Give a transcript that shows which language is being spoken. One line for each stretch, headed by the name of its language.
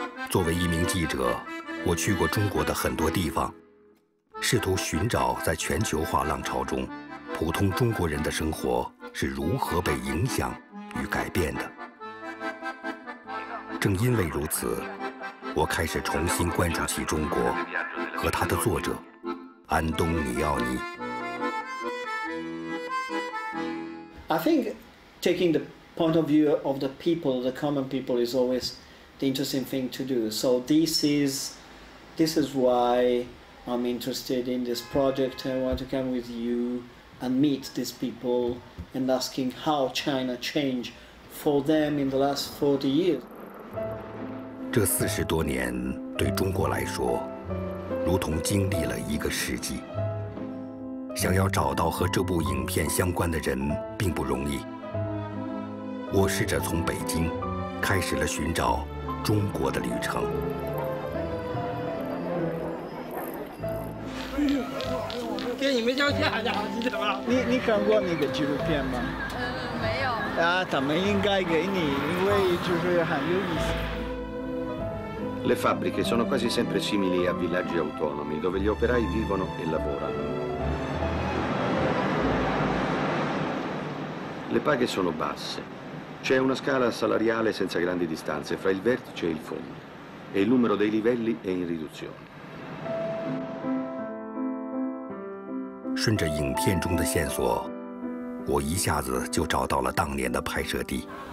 Chinese: 作为一名记者，我去过中国的很多地方，试图寻找在全球化浪潮中，普通中国人的生活是如何被影响与改变的。正因为如此，我开始重新关注起中国和它的作者。安东尼奥尼。
English: I think taking the point of view of the people, the common people, is always the interesting thing to do. So this is why I'm interested in this project. I want to come with you and meet these people and asking how China changed for them in the last 40 years.
Chinese: 这四十多年对中国来说。如同经历了一个世纪。想要找到和这部影片相关的人并不容易。我试着从北京开始了寻找中国的旅程。给你们交钱啊，你怎么了？你看过那个纪录片吗？没有。啊，他们应该给你，因为就是很有意思。
Italian: Le fabbriche sono quasi sempre simili a villaggi autonomi dove gli operai vivono e lavorano. Le paghe sono basse. C'è una scala salariale senza grandi distanze fra il vertice e il fondo e il numero dei livelli è in riduzione.
Chinese: 顺着影片中的线索，我一下子就找到了当年的拍摄地。